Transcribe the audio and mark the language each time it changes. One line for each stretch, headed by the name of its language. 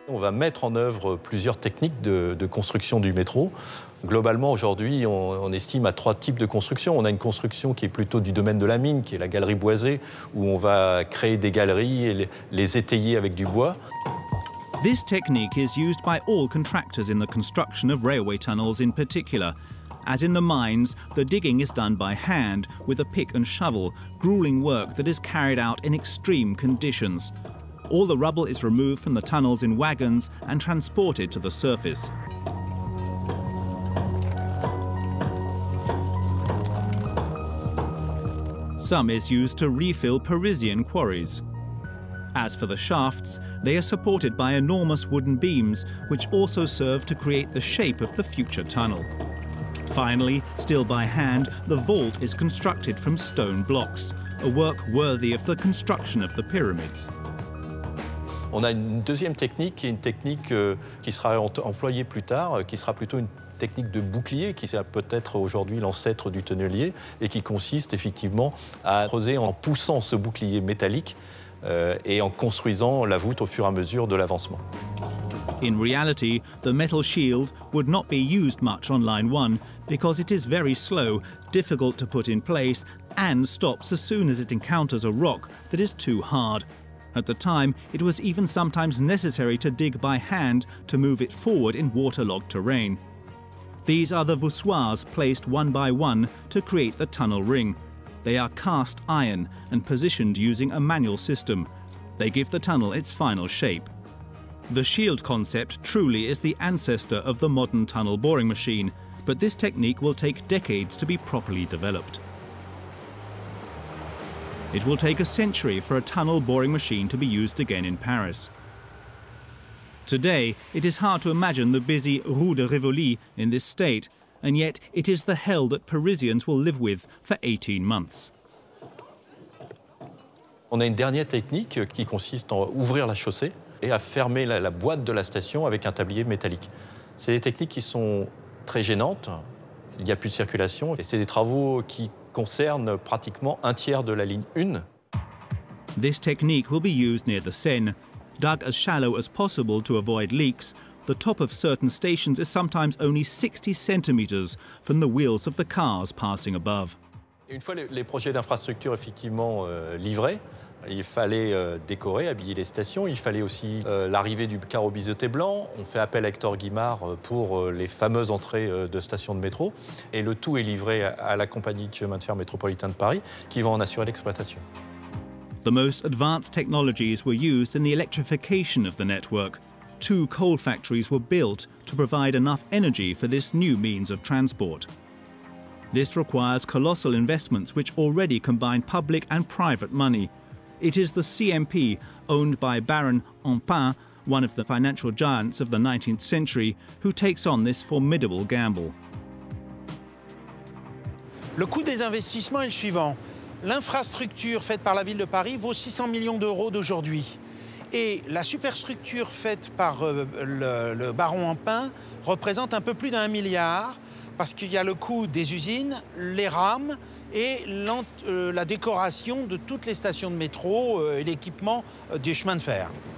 French: On va mettre en œuvre plusieurs techniques de construction du métro. Globalement, aujourd'hui, on estime à trois types de construction. On a une construction qui est plutôt du domaine de la mine, qui est la galerie boisée, où on va créer des galeries et les étayer avec du bois.
English: This technique is used by all contractors in the construction of railway tunnels in particular. As in the mines, the digging is done by hand, with a pick and shovel, grueling work that is carried out in extreme conditions. All the rubble is removed from the tunnels in wagons and transported to the surface. Some is used to refill Parisian quarries. As for the shafts, they are supported by enormous wooden beams, which also serve to create the shape of the future tunnel. Finally, still by hand, the vault is constructed from stone blocks, a work worthy of the construction of the pyramids. On a une deuxième technique, qui est une technique qui sera employée plus tard, qui sera plutôt une technique de bouclier, qui est peut-être aujourd'hui l'ancêtre du tunnelier, et qui consiste effectivement à creuser en poussant ce bouclier métallique et en construisant la voûte au fur et à mesure de l'avancement. In reality, the metal shield would not be used much on Line 1 because it is very slow, difficult to put in place, and stops as soon as it encounters a rock that is too hard. At the time, it was even sometimes necessary to dig by hand to move it forward in waterlogged terrain. These are the voussoirs placed one by one to create the tunnel ring. They are cast iron and positioned using a manual system. They give the tunnel its final shape. The shield concept truly is the ancestor of the modern tunnel boring machine, but this technique will take decades to be properly developed. It will take a century for a tunnel boring machine to be used again in Paris. Today, it is hard to imagine the busy Rue de Rivoli in this state, and yet it is the hell that Parisians will live with for 18 months.
French: On a une dernière technique qui consiste en ouvrir la chaussée et à fermer la boîte de la station avec un tablier métallique. C'est des techniques qui sont très gênante. Il n'y a plus de circulation. Et c'est des travaux qui concernent pratiquement un tiers de la ligne 1.
English: This technique will be used near the Seine. Dug as shallow as possible to avoid leaks, the top of certain stations is sometimes only 60 centimeters from the wheels of the cars passing above.
French: Une fois les projets d'infrastructure effectivement livrés, il fallait décorer, habiller les stations. Il fallait aussi l'arrivée du carreau biseauté blanc. On fait appel à Hector Guimard pour les fameuses entrées de stations de métro. Et le tout est livré à la compagnie de chemin de fer métropolitain de Paris qui va en assurer l'exploitation.
English: The most advanced technologies were used in the electrification of the network. Two coal factories were built to provide enough energy for this new means of transport. This requires colossal investments which already combine public and private money. It is the CMP, owned by Baron Ampin, one of the financial giants of the 19th century, who takes on this formidable gamble.
French: Le coût des investissements est le suivant. L'infrastructure faite par la ville de Paris vaut 600 millions d'euros d'aujourd'hui. Et la superstructure faite par le baron Ampin représente un peu plus d'un milliard, parce qu'il y a le coût des usines, les rames et la décoration de toutes les stations de métro et l'équipement des chemins de fer.